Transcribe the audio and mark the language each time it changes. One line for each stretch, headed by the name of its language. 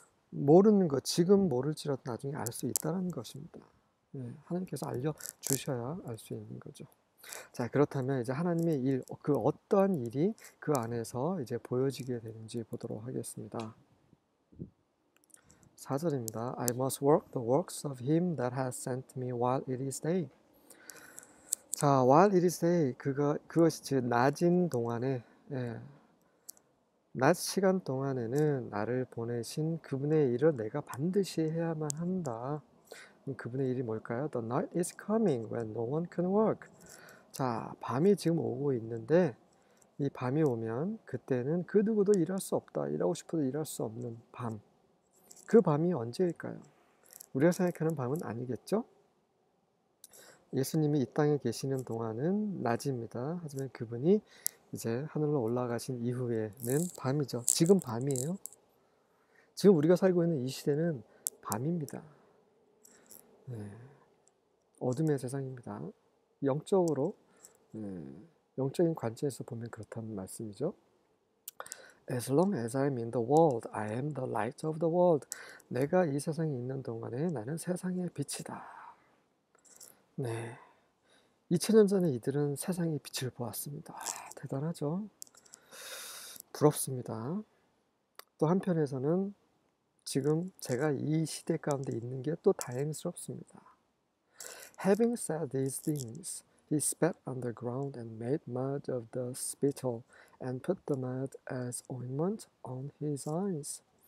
Korean: 모르는 거, 지금 모를지라도 나중에 알수 있다라는 것입니다. 예. 하나님께서 알려주셔야 알수 있는 거죠. 자, 그렇다면 이제 하나님의 일, 그 어떠한 일이 그 안에서 이제 보여지게 되는지 보도록 하겠습니다. 4절입니다.
English: I must work the works of him that has sent me while it is day.
Korean: 자,
English: while it is day,
Korean: 그것이 낮인 동안에, 낮 시간 동안에는 나를 보내신 그분의 일을 내가 반드시 해야만 한다. 그분의 일이 뭘까요?
English: The night is coming when no one can work.
Korean: 자, 밤이 지금 오고 있는데, 이 밤이 오면 그때는 그 누구도 일할 수 없다. 일하고 싶어도 일할 수 없는 밤. 그 밤이 언제일까요? 우리가 생각하는 밤은 아니겠죠? 예수님이 이 땅에 계시는 동안은 낮입니다. 하지만 그분이 이제 하늘로 올라가신 이후에는 밤이죠. 지금 밤이에요. 지금 우리가 살고 있는 이 시대는 밤입니다. 네. 어둠의 세상입니다. 영적으로, 영적인 관점에서 보면 그렇다는 말씀이죠.
English: As long as I'm in the world, I am the light of the world.
Korean: 내가 이 세상에 있는 동안에 나는 세상의 빛이다. 네. 2000년 전에 이들은 세상의 빛을 보았습니다. 대단하죠? 부럽습니다. 또 한편에서는 지금 제가 이 시대 가운데 있는 게또 다행스럽습니다.
English: Having said these things, he spat on the ground and made mud of the spittle and put the mud as ointment on his eyes.